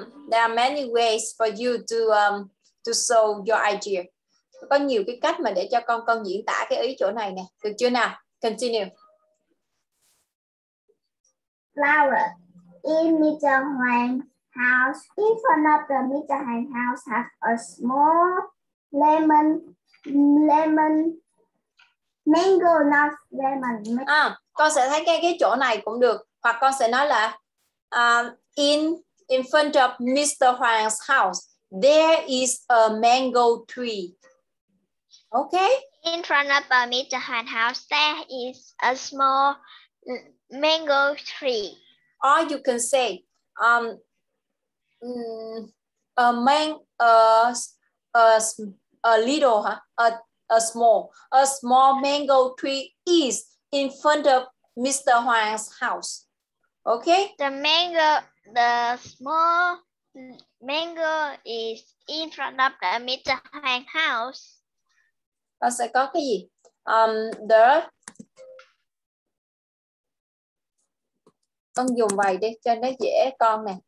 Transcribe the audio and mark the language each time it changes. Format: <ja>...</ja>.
<en>There are many ways for you to show your idea.</en> <vi>Có nhiều cái cách mà để cho con diễn tả cái ý chỗ này nè. Được chưa nào?</vi> <en>Continue. Flower in Mr. Huang's house. In front of the Mr. Huang's house has a small lemon mango, not lemon.</en> <vi>Con sẽ thấy cái chỗ này cũng được. Hoặc con sẽ nói là</vi> <en>in front of Mr. Huang's house, there is a mango tree. Okay? In front of Mr. Huang's house, there is a small mango tree. Or you can say a small mango tree is in front of Mr. Huang's house. Okay? The small mango is in front of the Mr. Huang's house.</en> <vi>Nó sẽ có cái gì? The con dùng vậy đi cho nó dễ con nè.</vi>